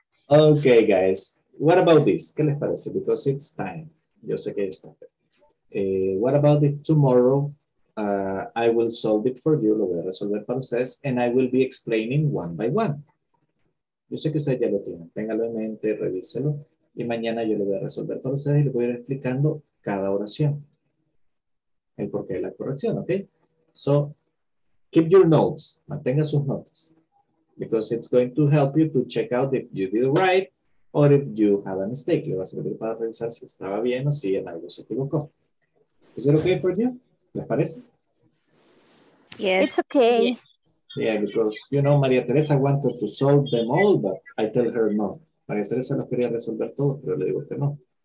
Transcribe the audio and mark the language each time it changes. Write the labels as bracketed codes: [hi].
[en] Okay, guys. What about this? [es] ¿Qué les parece? [en] Because it's time. [es] Yo sé que es tarde. [en] What about if tomorrow I will solve it for you, [es] lo voy a resolver para ustedes, [en] and I will be explaining one by one. [es] Yo sé que ustedes ya lo tienen. Ténganlo en mente, revíselo. Y mañana yo lo voy a resolver para ustedes y les voy a ir explicando cada oración. El porqué de la corrección, ¿ok? [en] So, keep your notes. [es] Mantenga sus notas. [en] Because it's going to help you to check out if you did right or if you had a mistake. [es] Le va a servir para revisar si estaba bien o si en algo se equivocó. ¿Es [en] okay for you? [es] ¿Les parece? [en] Yes. It's okay. Yeah. Yeah, because, you know, María Teresa wanted to solve them all, but I tell her no. [es] María Teresa los quería resolver todos, pero le digo que no.